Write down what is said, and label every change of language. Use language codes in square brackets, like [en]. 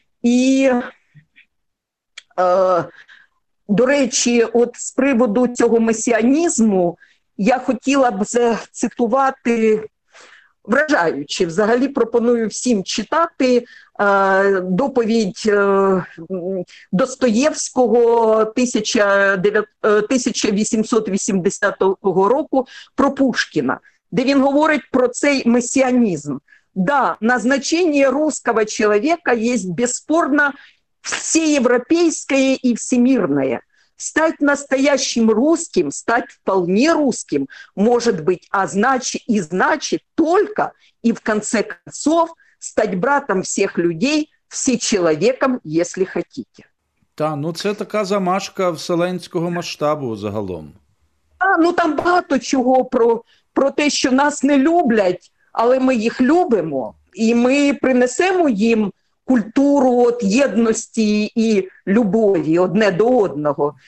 [uk] І, до речі, от з приводу цього месіанізму, я хотіла б зацитувати, вражаючи, взагалі пропоную всім читати доповідь Достоєвського 1880 року про Пушкіна, де він говорить про цей месіанізм. [ru] Да, назначення русского человека есть бесспорно всеевропейское и всемирное. Стать настоящим русским, стать вполне русским, может быть, а значит, и значит только, и в конце концов, стать братом всех людей, всечеловеком, если хотите. [uk] Та, ну це така замашка вселенського масштабу загалом. А, ну там багато чого про те, що нас не люблять, але ми їх любимо, і ми принесемо їм культуру от єдності і любові одне до одного.